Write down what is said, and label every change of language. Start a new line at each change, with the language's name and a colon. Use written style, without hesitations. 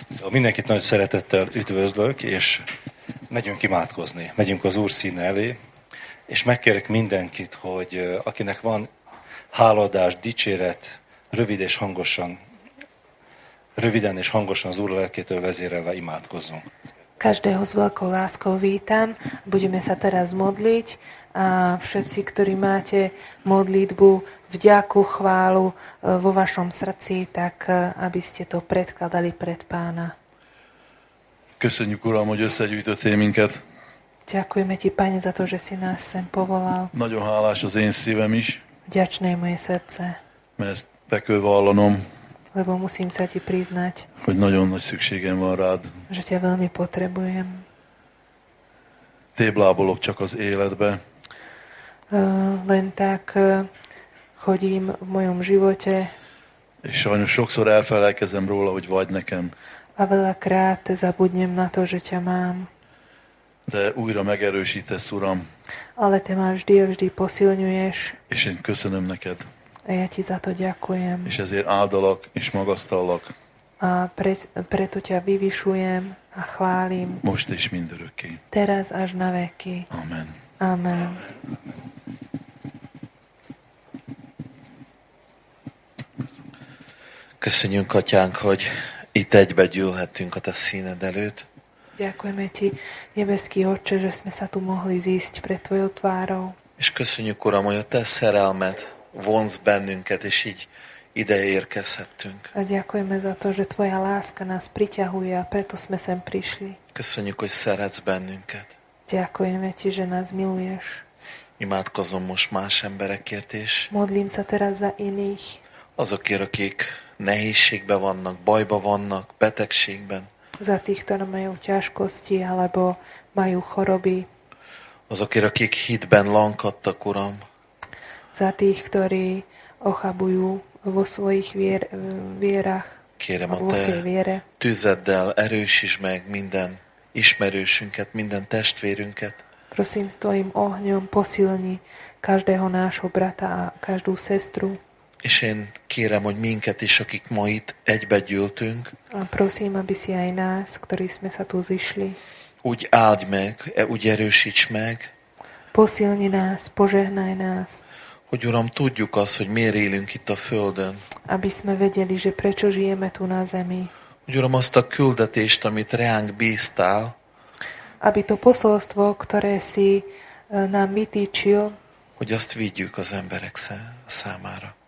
Hungarian: mindenkit nagy szeretettel üdvözlök, és megyünk imádkozni, megyünk az Úr színe elé, és megkérek mindenkit, hogy akinek van hálaadás, dicséret, röviden és hangosan az Úr lelkétől vezérelve imádkozzunk.
Slovak: Každého s veľkou láskou vítam. Budeme sa teraz modliť. A všetci, ktorí máte modlitbu, vďaku, chválu vo vašom srdci, tak aby ste to predkladali pred Pána.
Hungarian: Köszönjük, Uram, hogy összegyűjtöttél minket.
Slovak: Ďakujeme ti, Pane, za to, že si nás sem povolal.
Hungarian: Nagyon hálás az én szívem is.
Slovak: Ďačné moje srdce.
Hungarian: Mert be kell vallanom.
Slovak: Lebo musím sa ti priznať,
Hungarian: hogy nagyon nagy szükségem van rád.
Slovak: Že ťa veľmi potrebujem.
Hungarian: Téblábolok csak az életbe.
Slovak: Len tak chodím v mojom živote.
Hungarian: És sajnos sokszor elfelelkezem róla, hogy vagy nekem.
Slovak: A veľakrát zabudnem na to, že ťa mám.
Hungarian: De újra megerősítesz, Uram.
Slovak: Ale te ma vždy a vždy posilňuješ.
Hungarian: És én köszönöm neked.
Slovak: A ja ti za to ďakujem.
Hungarian: És ezért áldalak és magasztallak.
Slovak: A preto ťa vyvyšujem a chválim.
Hungarian: Most és mindörökké.
Slovak: Teraz až na veky.
Hungarian: Amen.
Slovak: Amen.
Hungarian: Köszönjük, Atyánk, hogy itt egybe gyűlhetünk a te színed előtt.
Slovak: Ďakujeme ti, nebeský Otče, že sme sa tu mohli zísť pred tvojou tvárou.
Hungarian: És köszönjük, Uram, hogy a te szerelmed vonz bennünket, és így ide érkezhettünk.
Slovak: A ďakujeme za to, že tvoja láska nás priťahuje, a preto sme sem prišli.
Hungarian: Köszönjük, hogy szeretsz bennünket.
Slovak: Ďakujeme ti, že nás miluješ.
Hungarian: Imádkozom most más emberekért is.
Slovak: Modlím sa teraz za iných.
Hungarian: Azokért, akik nehézségben vannak, bajban vannak, betegségben.
Slovak: Za tých, ktorí majú ťažkosti, alebo majú choroby.
Hungarian: Azokért, akik hitben lankadtak, Uram.
Slovak: Za tých, ktorí ochabujú vo svojich vierach.
Hungarian: Kérem a te viere. Tüzeddel erősíts meg minden ismerősünket, minden testvérünket.
Slovak: Prosím, s tvojim ohňom posilni každého nášho brata a každú sestru.
Hungarian: És én kérem, hogy minket is, akik ma itt egybe gyűltünk.
Slovak: A prosím, aby si aj nás, ktorí sme sa tu zišli.
Hungarian: Úgy áld meg, úgy erősíts meg.
Slovak: Posilni nás, požehnaj nás.
Hungarian: Hogy Uram, tudjuk azt, hogy miért élünk itt a Földön.
Slovak: Aby sme vedeli, že prečo žijeme tu na zemi.
Hungarian: Hogy Uram, azt a küldetést, amit reánk bíztál.
Slovak: Aby to posolstvo, ktoré si nám vytýčil.
Hungarian: Hogy azt vigyük az emberek számára.